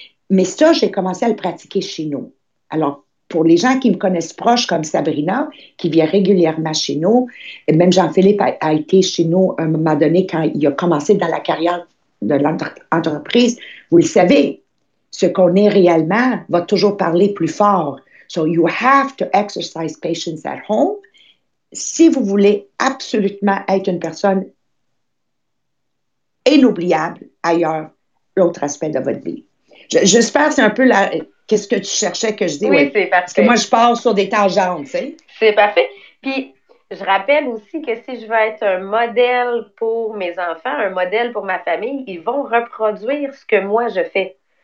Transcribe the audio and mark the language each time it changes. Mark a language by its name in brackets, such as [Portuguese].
[French] Mais ça, j'ai commencé à le pratiquer chez nous. Alors, pour les gens qui me connaissent proches, comme Sabrina, qui vient régulièrement chez nous, et même Jean-Philippe a été chez nous à un moment donné quand il a commencé dans la carrière de l'entreprise, vous le savez, ce qu'on est réellement va toujours parler plus fort. [English] So you have to exercise patience at home. [French] Si vous voulez absolument être une personne inoubliable ailleurs, l'autre aspect de votre vie. J'espère que c'est un peu la, qu'est-ce que tu cherchais que je dise. Oui, ouais. C'est parfait. Parce que moi, je pars sur des tangentes, tu sais. C'est parfait. Puis, je rappelle aussi que si je veux être un modèle pour mes enfants, un modèle pour ma famille, ils vont reproduire ce que moi, je fais.